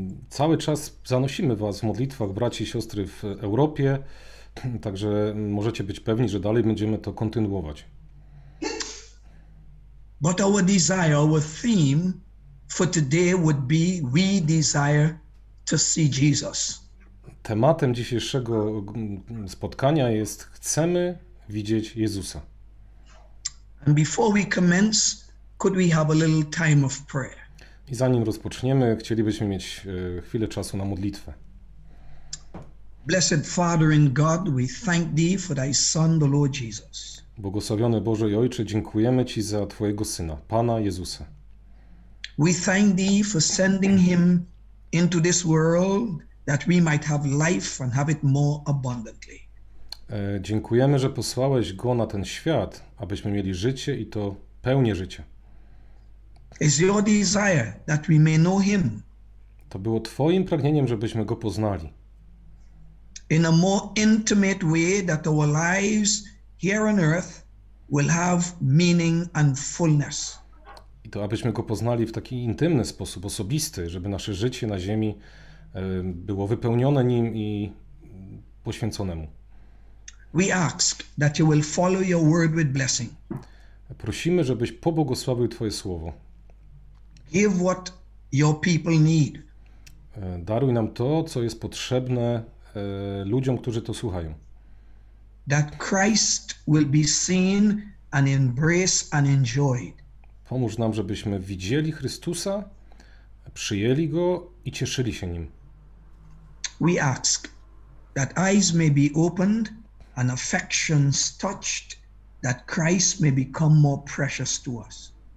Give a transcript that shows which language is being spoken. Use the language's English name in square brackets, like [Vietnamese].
[Polish] Cały czas zanosimy was w modlitwach, braci i siostry w Europie, także możecie być pewni, że dalej będziemy to kontynuować. [English] But our desire, our theme for today would be we desire to see Jesus. [Polish] Tematem dzisiejszego spotkania jest chcemy widzieć Jezusa. [English] And before we commence, could we have a little time of prayer? [Polish] I zanim rozpoczniemy, chcielibyśmy mieć chwilę czasu na modlitwę. [English] Blessed Father in God, we thank thee for thy Son, the Lord Jesus. [Polish] Błogosławiony Boże i Ojcze, dziękujemy ci za twojego Syna, Pana Jezusa. [English] We thank thee for sending him into this world that we might have life and have it more abundantly. [Polish] Dziękujemy, że posłałeś go na ten świat, abyśmy mieli życie i to pełnię życia. [English] It's your desire that we may know him. [Polish] To było twoim pragnieniem, żebyśmy go poznali. [English] In a more intimate way that our lives here on earth will have meaning and fullness. [Polish] I to abyśmy go poznali w taki intymny sposób, osobisty, żeby nasze życie na ziemi było wypełnione nim i poświęcone mu. [English] We ask that you will follow your word with blessing. [Polish] Prosimy, żebyś pobłogosławił twoje słowo. [English] Give what your people need. [Polish] Daruj nam to, co jest potrzebne ludziom, którzy to słuchają. [English] That Christ will be seen and embraced and enjoyed. [Polish] Pomóż nam, żebyśmy widzieli Chrystusa, przyjęli go i cieszyli się nim. [English] We ask that eyes may be opened and affections touched, that Christ may become more precious to us.